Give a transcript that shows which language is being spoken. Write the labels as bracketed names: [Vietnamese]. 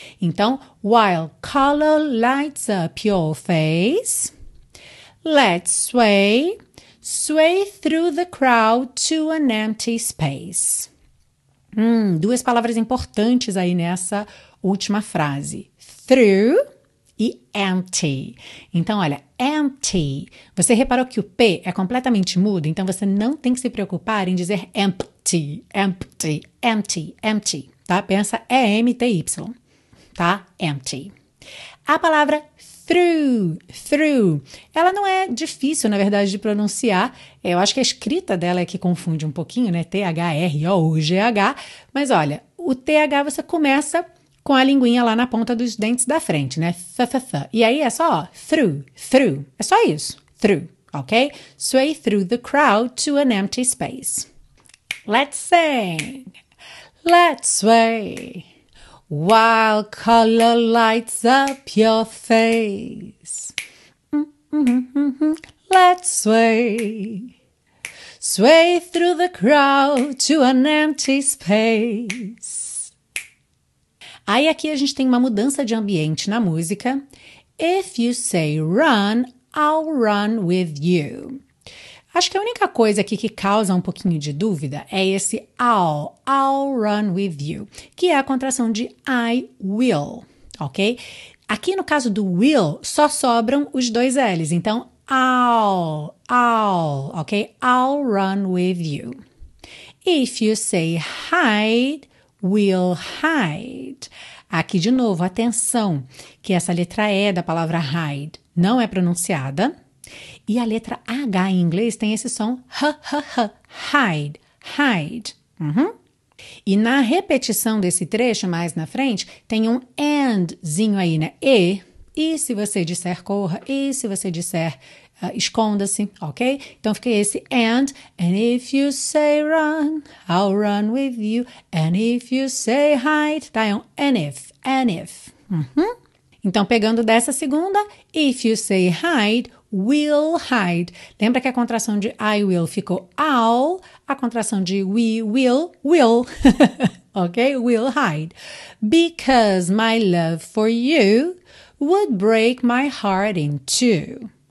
[English] Então, while color lights up your face, let's sway, sway through the crowd to an empty space. [Portuguese] Duas palavras importantes aí nessa última frase. Through e empty. Então, olha, empty. Você reparou que o P é completamente mudo, então você não tem que se preocupar em dizer empty. Empty, empty, empty, empty, tá? Pensa E-M-T-Y, tá? Empty. A palavra through, through, ela não é difícil, na verdade, de pronunciar. Eu acho que a escrita dela é que confunde um pouquinho, né? T-H-R-O-U-G-H. Mas olha, o T-H você começa com a linguinha lá na ponta dos dentes da frente, né? Th-th-th. E aí é só, ó, through, through. É só isso, through, ok? [English] Sway through the crowd to an empty space. Let's sing. Let's sway. While color lights up your face. Let's sway. Sway through the crowd to an empty space. [Portuguese] Aí aqui a gente tem uma mudança de ambiente na música. [English] If you say run, I'll run with you. [Portuguese] Acho que a única coisa aqui que causa um pouquinho de dúvida é esse [English] I'll run with you, [Portuguese] que é a contração de I will, ok? Aqui no caso do will, só sobram os dois L's, então I'll, ok? [English] I'll run with you. If you say hide, we'll hide. [Portuguese] Aqui de novo, atenção, que essa letra E da palavra hide não é pronunciada. E a letra H em inglês tem esse som, hide, hide. Uhum. E na repetição desse trecho, mais na frente, tem um andzinho aí, né? E se você disser corra, e se você disser esconda-se, ok? Então, fica esse [English] and if you say run, I'll run with you, and if [Portuguese] you say hide, tá? É um and if, uhum. Então, pegando dessa segunda, if you say hide, we'll hide. Lembra que a contração de I will ficou I'll, a contração de we will, ok? [English] We'll hide. Because my love for you would break my heart in two,